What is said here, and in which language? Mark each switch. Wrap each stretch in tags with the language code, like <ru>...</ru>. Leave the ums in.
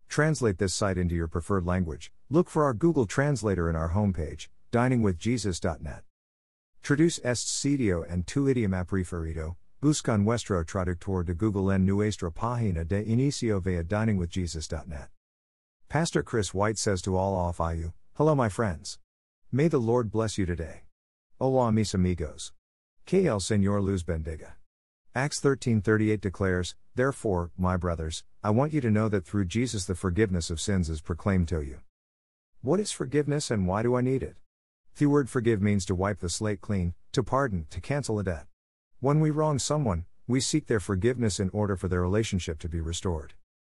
<en>Translate this site into your preferred language. Look for our Google Translator in our homepage, diningwithjesus.net.</en> <es>Traduce este sitio en tu idioma preferido. Busca nuestro traductor de Google en nuestra página de inicio via diningwithjesus.net.</es> <en>Pastor Chris White says to all off IU, Hello, my friends. May the Lord bless you today.</en> <es>Hola, mis amigos. Que el Señor luz bendiga.</es> <en>Acts 13:38 declares, "Therefore, my brothers, I want you to know that through Jesus the forgiveness of sins is proclaimed to you." What is forgiveness and why do I need it? The word forgive means to wipe the slate clean, to pardon, to cancel a debt. When we wrong someone, we seek their forgiveness in order for their relationship to be restored.</en>